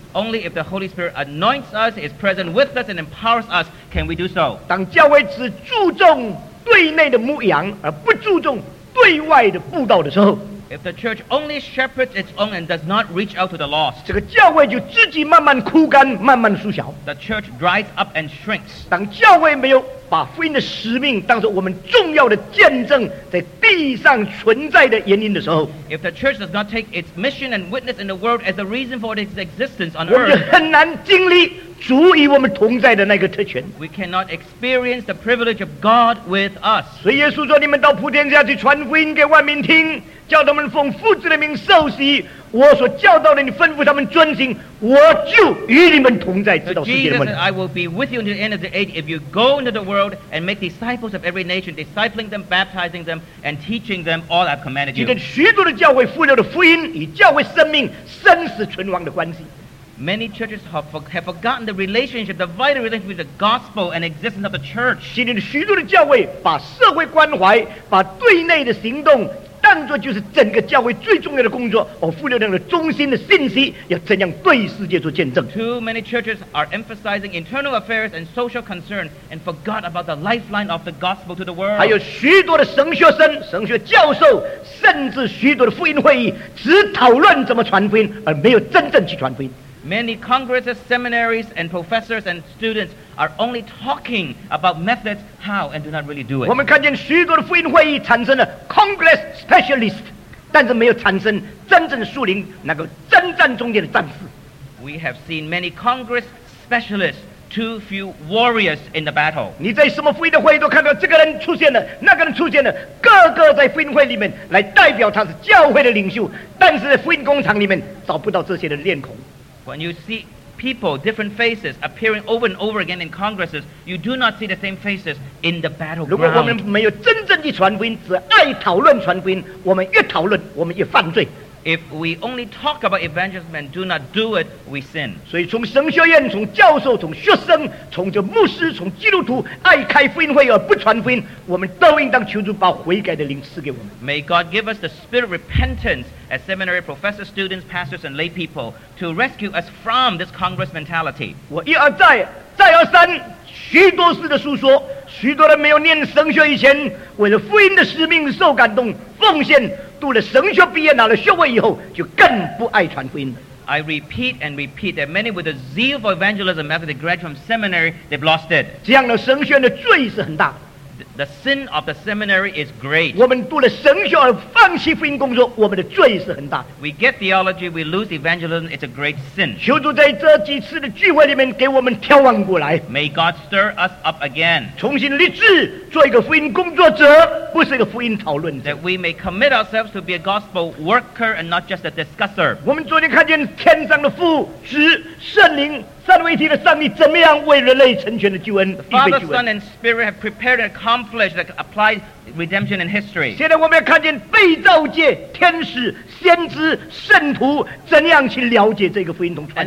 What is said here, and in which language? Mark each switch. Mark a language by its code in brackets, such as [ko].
[en] Only if the Holy Spirit anoints us, is present with us, and empowers us, can we do so. [zh] 当教会只注重对内的牧养，而不注重 [en] If the church only shepherds its own and does not reach out to the lost, [zh] 这个教会就自己慢慢枯干，慢慢缩小。 [en] The church dries up and shrinks. [zh] 当教会没有把福音的使命当作我们重要的见证在地上存在的原因的时候 [en] If the church does not take its mission and witness in the world as the reason for its existence on earth [zh] 我们就很难经历主与我们同在的那个特权 [en] We cannot experience the privilege of God with us [zh] 所以耶稣说你们到普天下去传福音给万民听叫他们奉父子的名受洗我所教导的你吩咐他们遵行我就与你们同在直到世界的末了 [en] Jesus said I will be with you until the end of the age if you go into the world and make disciples of every nation discipling them, baptizing them and teaching them all I've commanded you [zh] 你跟许多的教会忽略的福音与教会生命生死存亡的关系 [en] Many churches have forgotten the relationship the vital relationship with the gospel and existence of the church [zh] 今天许多的教会把社会关怀把对内的行动当作就是整个教会最重要的工作而忽略那个中心的信息要怎样对世界做见证 [en] Too many churches are emphasizing internal affairs and social concern and forgot about the lifeline of the gospel to the world [zh] 还有许多的神学生神学教授甚至许多的福音会议只讨论怎么传福音而没有真正去传福音 [en] Many congresses, seminaries and professors and students are only talking about methods how and do not really do it [zh] 我们看见许多的福音会议产生了 Congress Specialist 但是没有产生真正树林那个征战中间的战士 [en] We have seen many Congress Specialists too few warriors in the battle [zh] 你在什么福音的会议都看到这个人出现了那个人出现了个个在福音会里面来代表他是教会的领袖但是在福音工厂里面找不到这些的面孔 [en] When you seePeople, different faces appearing over and over again in congresses, you do not see the same faces in the battleground. [zh] 如果我们没有真正的传福音，只爱讨论传福音，我们越讨论，我们越犯罪。 [en] If we only talk about evangelism and do not do it, we sin. [zh] 所以从神学院，从教授，从学生，从这牧师，从基督徒，爱开福音会而不传福音，我们都应当求主把悔改的灵赐给我们。 [en] May God give us the spirit of repentance. As seminary professors, students, pastors, and lay people to rescue us from this Congress mentality. [zh] 我一而再，再而三，许多次的诉说，许多人没有念神学以前，为了福音的使命受感动、奉献，读了神学毕业拿了学位以后，就更不爱传福音。 [en] I repeat and repeat that many with a zeal for evangelism after they graduate from seminary, they've lost it. [zh] 这样的神学的罪是很大。 [en] The sin of the seminary is great. [zh] 我们读了神学而放弃福音工作，我们的罪是很大的。 [en] We get theology, we lose evangelism. It's a great sin. [zh] 求主在这几次的聚会里面给我们眺望过来。 [en] May God stir us up again. [zh] 重新立志做一个福音工作者，不是一个福音讨论者。 [en] That we may commit ourselves to be a gospel worker and not just a discusser. [zh] 我们昨天看见天上的父子圣灵。三位一体的上帝怎么样为人类成全的救恩 [en] The Father, Son, and Spirit have prepared and accomplished that applied redemption in history [zh] 现在我们要看见被造界天使先知圣徒怎样去了解这个福音同传